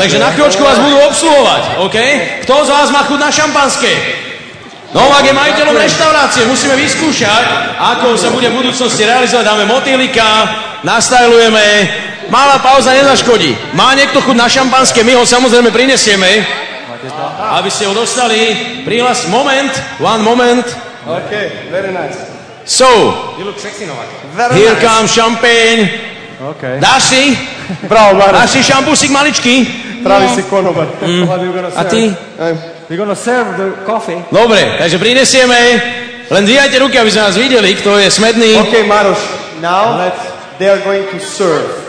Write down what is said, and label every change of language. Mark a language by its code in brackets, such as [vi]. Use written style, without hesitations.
[sk] Takže na chvíľočku vás budú obsluhovať. [en] Okay? [sk] Kto z vás má chuť na šampanské? Novák je majiteľom reštaurácie. Musíme vyskúšať, ako sa bude v budúcnosti realizovať. Dáme motýlika, nastajlujeme. Malá pauza nezaškodí. Má niekto chuť na šampanské? My ho samozrejme prinesieme. Aby ste ho dostali. Prihlas. Moment. [en] One moment. Okay. Very nice. So, you look sexy, Novak. Very here nice. Comes champagne. Okay. [sk] Dáš si? Bravo, Marek. Dáš si šampusík maličký? Pravý si konobar. A ty? [en] You're gonna serve the coffee. [sk] Dobre, takže prinesieme. Len dvíhajte ruky, aby sme nás videli, kto je smedný. [en] Okay, Maroš. Now, they are going to serve.